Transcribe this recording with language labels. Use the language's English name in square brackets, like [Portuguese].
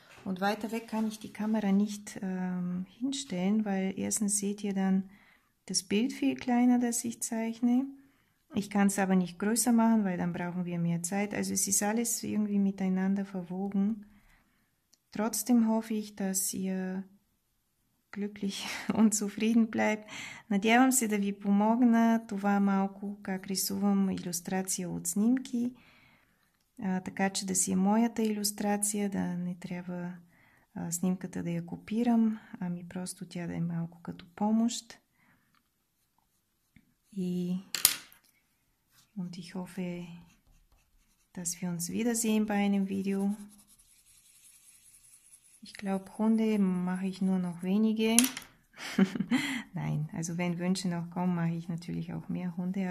[German] Und weiter weg kann ich die Kamera nicht hinstellen, weil erstens seht ihr dann das Bild viel kleiner, das ich zeichne. Ich kann es aber nicht größer machen, weil dann brauchen wir mehr Zeit. Also es ist alles irgendwie miteinander verwoben. Trotzdem hoffe ich, dass ihr glücklich und zufrieden bleib. [Bulgarian] Надявам се да ви помогна това малко как рисувам илюстрация от снимки, така че да си е моята илюстрация, да не трябва снимката да я копирам, ами просто тя да е малко като помощ. [German] И und ich hoffe, dass wir uns wiedersehen bei einem Video. Ich glaube, Hunde mache ich nur noch wenige. Nein, also wenn Wünsche noch kommen, mache ich natürlich auch mehr Hunde.